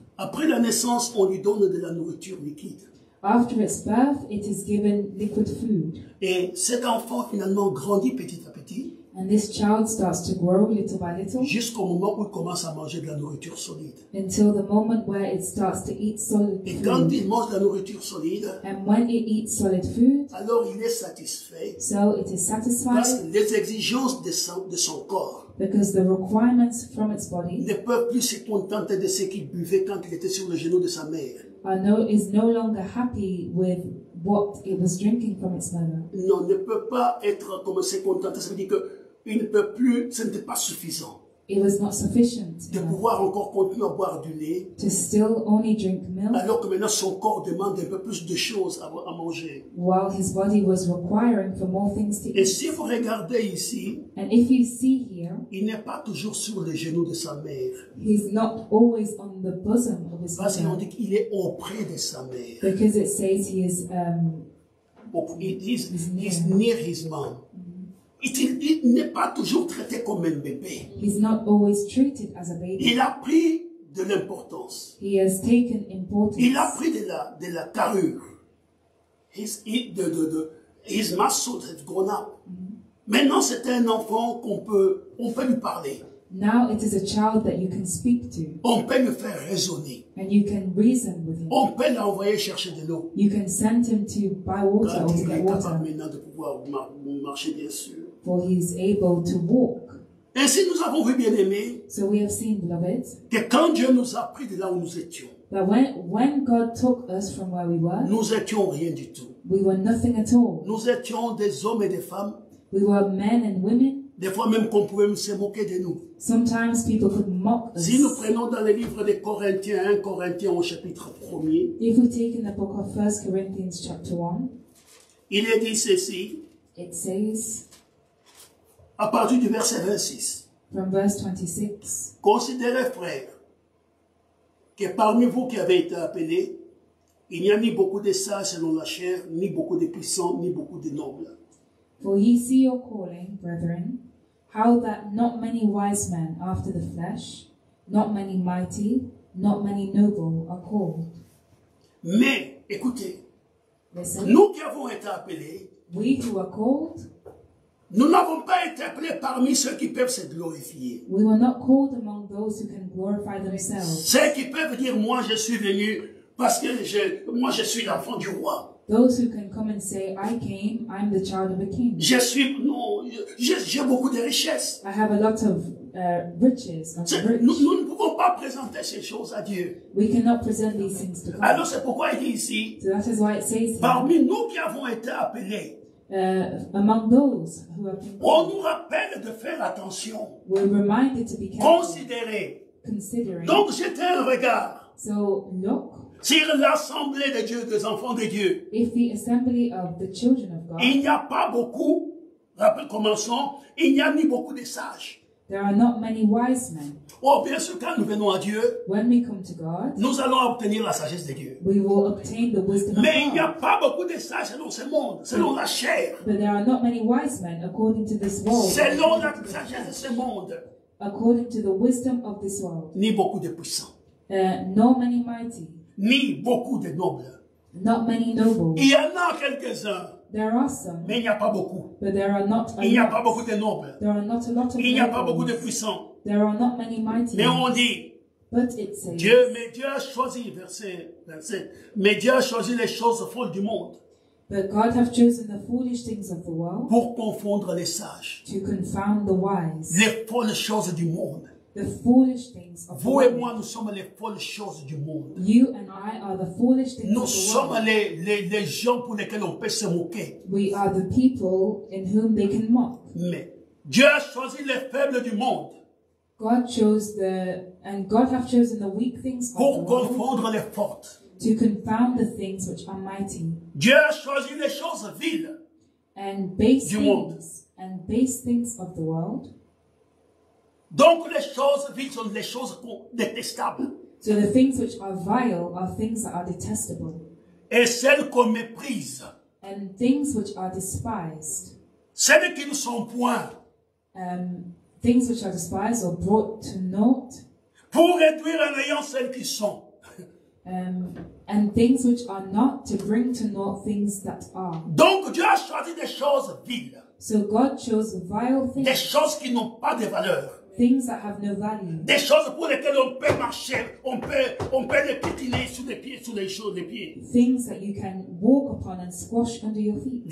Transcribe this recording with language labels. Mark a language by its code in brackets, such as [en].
[fr] Après la naissance, on lui donne de la nourriture liquide. [en] After its birth, it is given liquid food. [fr] Et cet enfant finalement grandit petit à petit. [en] And this child starts to grow little by little. [fr] Jusqu'au moment où il commence à manger de la nourriture solide. [en] Until the moment where it starts to eat solid food. [fr] Et quand il mange de la nourriture solide. [en] And when it eats solid food. [fr] Alors il est satisfait. [en] So it is satisfied. [fr] Parce que les exigences de son corps. [en] Because the requirements from its body. [fr] Ne peut plus se contenter de ce qu'il buvait quand il était sur le genou de sa mère. [en] Is no longer happy with what it was drinking from its mother. [fr] Non, ne peut pas être comme se contenter. Ça veut dire que il ne peut plus, ce n'était pas suffisant. [en] It was not sufficient. [fr] De pouvoir encore continuer à boire du lait. [en] To still only drink milk. [fr] Alors que maintenant son corps demande un peu plus de choses à manger. [en] While his body was requiring for more things to [fr] et [en] eat. [fr] Et si vous regardez ici. [en] And if you see here. [fr] Il n'est pas toujours sur les genoux de sa mère. [en] He's not always on the bosom of his mother. [fr] Parce qu'on dit qu'il est auprès de sa mère. [en] Because it says he is. He's near his mom. [fr] il n'est pas toujours traité comme un bébé. [en] He's not always treated as a baby. [fr] Il a pris de l'importance. [en] He has taken importance. [fr] Il a pris de la carrure. [en] His muscles have grown up. [fr] Maintenant, c'est un enfant qu'on peut lui parler. [en] Now it is a child that you can speak to. [fr] On peut le faire raisonner. [en] And you can reason with him. [fr] On peut l'envoyer chercher de l'eau. [en] You can send him to buy water or to get water. [fr] Il est capable de pouvoir marcher, bien sûr. [en] For he is able to walk. [fr] Ainsi, nous avons vu, bien aimé, [en] so we have seen, beloved, [fr] que quand Dieu nous a pris de là où nous étions, [en] that when God took us from where we were, [fr] nous étions rien du tout. [en] We were nothing at all. [fr] Nous étions des hommes et des femmes. [en] We were men and women. [fr] Des fois même qu'on pouvait se moquer de nous. [en] Sometimes people could mock us. [fr] Si nous prenons dans le livre de Corinthiens, 1 Corinthiens au chapitre 1er. [en] If we take in the book of 1 Corinthians chapter 1. [fr] Il est dit ceci. [en] It says. [fr] À partir du verset 26. [en] From verse 26. [fr] Considérez, frères, que parmi vous qui avez été appelés, il n'y a ni beaucoup de sages selon la chair, ni beaucoup de puissants, ni beaucoup de nobles. [en] For ye see your calling, brethren, how that not many wise men after the flesh, not many mighty, not many noble are called. [fr] Mais, écoutez, [en] listen, [fr] nous qui avons été appelés, [en] we who are called, [fr] nous n'avons pas été appelés parmi ceux qui peuvent se glorifier. [en] We were not called among those who can glorify themselves. [fr] Ceux qui peuvent dire, moi je suis venu parce que moi je suis l'enfant du roi. [en] Those who can come and say, I came, I'm the child of a king. [fr] Je suis, non, j'ai beaucoup de richesses. [en] I have a lot of riches. [fr] Nous ne pouvons pas présenter ces choses à Dieu. [en] We cannot present these things to God. [fr] Alors c'est pourquoi il dit ici, [en] so that is why it says here, [fr] parmi nous qui avons été appelés, [en] among those who have been [fr] called, on nous rappelle de faire attention. [en] We're reminded to be careful. [fr] Considérer. [en] Considering. [fr] Donc jetez un regard. [en] So look. [fr] Si l'assemblée de Dieu, des enfants de Dieu, [en] if the assembly of the children of God, [fr] il n'y a pas beaucoup, commençons, il n'y a ni beaucoup de sages. [en] There are not many wise men. [fr] Oh, bien sûr, quand nous venons à Dieu, [en] when we come to God, [fr] nous allons obtenir la sagesse de Dieu. [en] We will obtain the wisdom [fr] mais Il n'y a pas beaucoup de sages selon ce monde, selon la chair. [en] But there are not many wise men according to this world. [fr] Selon la sagesse de ce monde. [en] According to the wisdom of this world. [fr] Ni beaucoup de puissants. [en] Nor many mighty. [fr] Ni beaucoup de nobles. [en] Not many nobles. [fr] Il y en a quelques-uns. [en] There are some. [fr] Mais il n'y a pas beaucoup. [en] But there are not [fr] il n'y a pas beaucoup de nobles. [en] There are not a lot of [fr] il n'y a pas beaucoup de puissants. [en] There are not many mighty. [fr] Mais on dit. [en] But it says, [fr] Dieu, mais Dieu a choisi, verset. Mais Dieu a choisi les choses folles du monde. [en] But God have chosen the foolish things of the world. [fr] Pour confondre les sages. [en] To confound the wise. [fr] Les folles choses du monde. [en] The foolish things of [fr] vous et moi, nous sommes les folles choses du monde. [en] You and I are the foolish things [fr] nous [en] of the [fr] sommes [en] world. [fr] Les gens pour lesquels on peut se moquer. [en] We are the people in whom they can mock. [fr] Mais Dieu a choisi les faibles du monde. [en] God chose the and God have chosen the weak things of [fr] pour [en] the [fr] confondre [en] world, [fr] les fortes. [en] To confound the things which are mighty. [fr] Dieu a choisi les choses viles. [en] And base [fr] du [en] things [fr] monde. [en] And base things of the world. [fr] Donc les choses vides sont les choses détestables. [en] So the things which are vile are things that are detestable. [fr] Et celles qu'on méprise. [en] And things which are despised. [fr] Celles qui ne sont point. [en] Things which are despised or brought to naught. [fr] Pour réduire en ayant celles qui sont. [en] And things which are not to bring to naught things that are. [fr] Donc Dieu a choisi des choses viles. [en] So God chose vile things. [fr] Des choses qui n'ont pas de valeur. [en] Things that have no value. [fr] Des choses pour lesquelles on peut marcher, on peut les piétiner sous les pieds, sous les choses, les pieds. [en] Things that you can walk upon and squash under your feet.